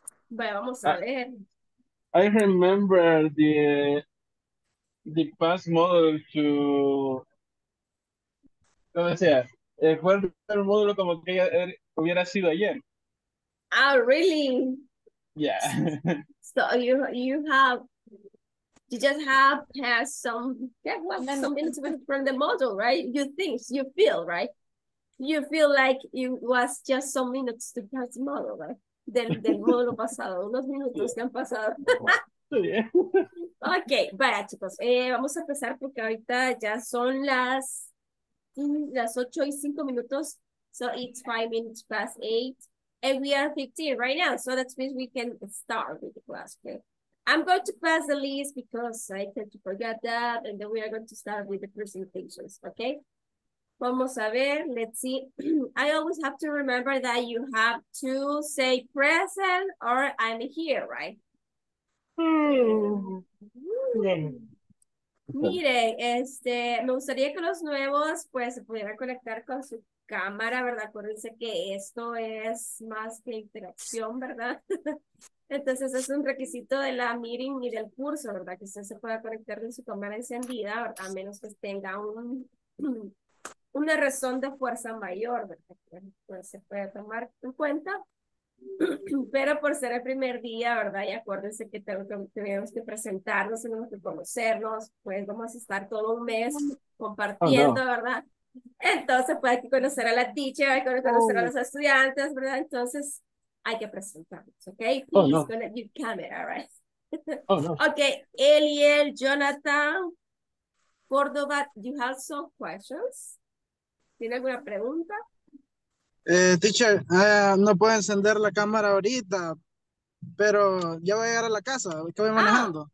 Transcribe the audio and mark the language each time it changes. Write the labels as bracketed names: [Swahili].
[Spanish] Bueno, vamos a ver. [English] I remember the past model to... [Spanish] ¿Cómo decía? Fue el módulo como que hubiera sido ayer. [English] Ah, really? Yeah. So you just have passed some minutes from the module, right? You think, you feel, right? you feel like it was just some minutes to pass the model, right? [Spanish] Del módulo pasado, unos minutos que han pasado. Ok, vaya chicos, vamos a empezar porque ahorita ya son las 8 y 5 minutos. [English] So it's 5 minutes past 8. And we are 15 right now. So that means we can start with the class. Okay. I'm going to pass the list because I tend to forget that. And then we are going to start with the presentations. Okay. [Spanish] Vamos a ver. [English] Let's see. I always have to remember that you have to say present or I'm here, right? [Spanish] Mire, me gustaría que los nuevos pues se pudieran conectar con su cámara, ¿verdad? Acuérdense que esto es más que interacción, ¿verdad? Entonces es un requisito de la meeting y del curso, ¿verdad? Que usted se pueda conectar con su cámara encendida, ¿verdad? A menos que tenga una razón de fuerza mayor, ¿verdad? Pues se puede tomar en cuenta. Pero por ser el primer día, ¿verdad? Y acuérdense que tenemos que presentarnos, tenemos que conocernos, pues vamos a estar todo un mes compartiendo, ¿verdad? Entonces, pues hay que conocer a la teacher, hay que conocer a los estudiantes, ¿verdad? Entonces, hay que presentarnos, ¿ok? [English] Please, [Spanish] con [English] your camera, right? Ok, Eliel, Jonathan, Córdoba, you have some questions? [Spanish] ¿Tiene alguna pregunta? Teacher, no puedo encender la cámara ahorita, pero ya voy a llegar a la casa, que voy manejando.